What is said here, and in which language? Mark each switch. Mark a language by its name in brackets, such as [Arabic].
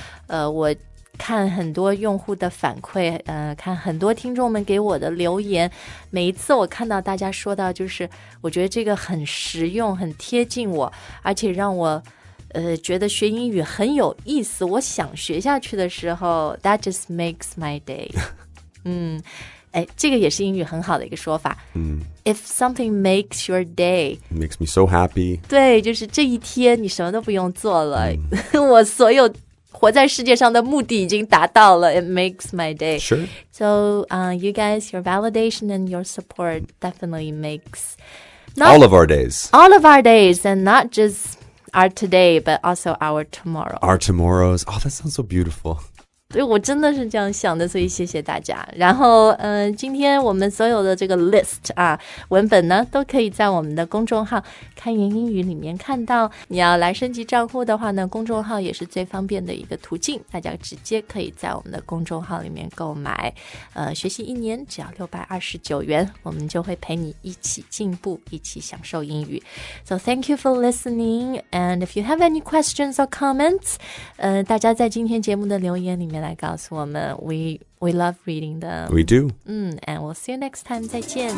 [Chinese] 我看很多用户的反馈看很多听众们给我的留言每一次我看到大家说到就是我觉得这个很实用很贴近我而且让我觉得学英语很有意思我想学下去的时候 [English] That just makes my day [Chinese] 这个也是英语很好的一个说法、 [English] If something makes your day Makes me so happy [Chinese] 对就是这一天你什么都不用做了、我所有活在世界上的目的已经达到了 [English] It makes my day. Sure. So, you guys, your validation and your support definitely makes not, all of our days. All of our days, and not just our today, but also our tomorrow. Our tomorrows. Oh, that sounds so beautiful. [Chinese] 对，我真的是这样想的，所以谢谢大家。然后，今天我们所有的这个 list 啊，文本呢，都可以在我们的公众号“开言英语”里面看到。你要来升级账户的话呢，公众号也是最方便的一个途径，大家直接可以在我们的公众号里面购买。学习一年只要629元，我们就会陪你一起进步，一起享受英语。 [English] So thank you for listening, and if you have any questions or comments, [Chinese] 大家在今天节目的留言里面来告诉我们 [English] we love reading them. We do. And we'll see you next time. [Chinese] 再见。